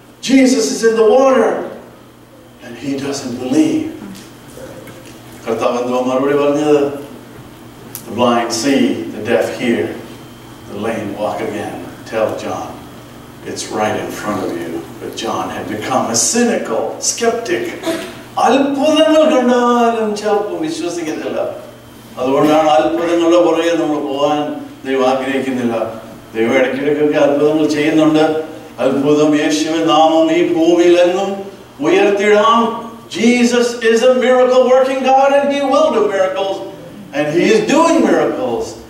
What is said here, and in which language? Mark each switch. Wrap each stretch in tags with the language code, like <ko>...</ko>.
<en>Jesus is in the water. And he doesn't believe. The blind see, the deaf hear, the lame walk again. Tell John, it's right in front of you. But John had become a cynical skeptic.</en> <ml>അത്ഭുതങ്ങൾ കണ്ടാലും ചിലപ്പോൾ വിശ്വസിക്കത്തില്ല. അതുകൊണ്ടാണ് അത്ഭുതങ്ങളുടെ പുറകെ നമ്മൾ പോകാൻ ദൈവം ആഗ്രഹിക്കുന്നില്ല. ദൈവം ഇടയ്ക്കിടയ്ക്കൊക്കെ അത്ഭുതങ്ങൾ ചെയ്യുന്നുണ്ട്. അത്ഭുതം യേശുവിൻ നാമം ഈ ഭൂമിയിൽ എന്നും ഉയർത്തിടാം.</ml> <en>Jesus is a miracle working God and he will do miracles and he is doing miracles.</en>